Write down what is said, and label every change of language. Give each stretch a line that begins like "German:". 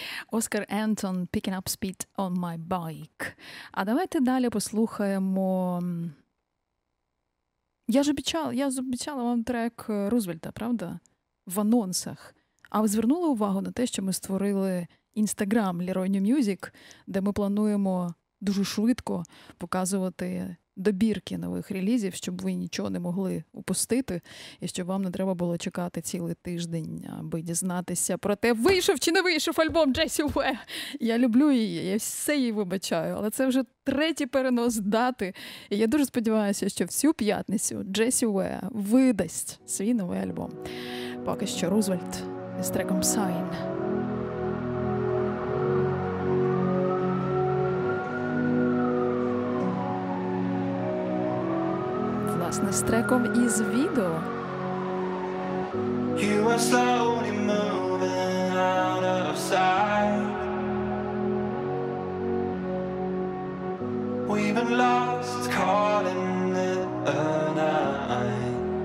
Ukrainian: Оскар Ентон, «Picking up speed on my bike». А давайте далі послухаємо... Я ж обіцяла вам трек Рузвельта, правда? В анонсах. А ви звернули увагу на те, що ми створили Instagram Leroy New Music, де ми плануємо дуже швидко показувати добірки нових релізів, щоб ви нічого не могли упустити, і щоб вам не треба було чекати цілий тиждень, аби дізнатися про те, вийшов чи не вийшов альбом Джесі Уе. Я люблю її, я все їй вибачаю, але це вже третій перенос дати. І я дуже сподіваюся, що всю п'ятницю Джесі Уе видасть свій новий альбом. Поки що Рузвельт із треком «Sign». Власне, з треком із відео.
English: You are slowly moving out of sight. We've been lost, calling it a night.